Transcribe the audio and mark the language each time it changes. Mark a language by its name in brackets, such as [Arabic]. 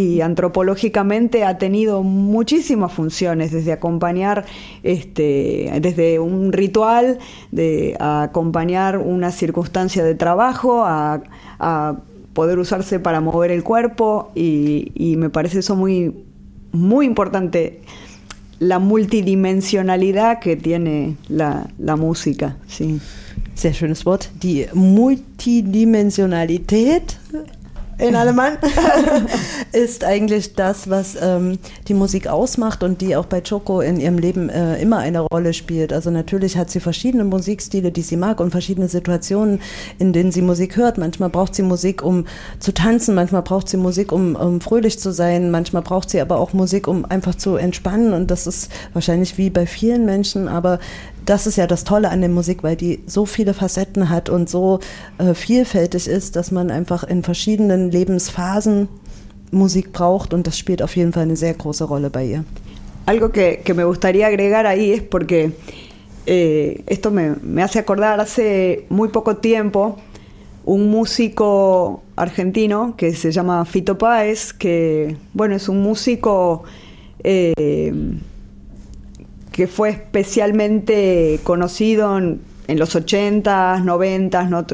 [Spanish] Y antropológicamente ha tenido muchísimas funciones, desde acompañar, desde un ritual, de a acompañar una circunstancia de trabajo, a poder usarse para mover el cuerpo, y me parece eso muy, muy importante, la multidimensionalidad que tiene la música, sí. [German] Sehr schönes Wort, die Multidimensionalität. In Alemann ist eigentlich das, was die Musik ausmacht und die auch bei Choco in ihrem Leben immer eine Rolle spielt. Also natürlich hat sie verschiedene Musikstile, die sie mag, und verschiedene Situationen, in denen sie Musik hört. Manchmal braucht sie Musik, um zu tanzen, manchmal braucht sie Musik, um fröhlich zu sein, manchmal braucht sie aber auch Musik, um einfach zu entspannen, und das ist wahrscheinlich wie bei vielen Menschen, aber das ist ja das Tolle an der Musik, weil die so viele Facetten hat und so vielfältig ist, dass man einfach in verschiedenen Lebensphasen Musik braucht, und das spielt auf jeden Fall eine sehr große Rolle bei ihr. [Spanish] Algo que me gustaría agregar ahí es porque esto me hace acordar hace muy poco tiempo un músico argentino que se llama Fito Páez, que bueno, es un músico que fue especialmente conocido en los 80s, 90s, ¿no?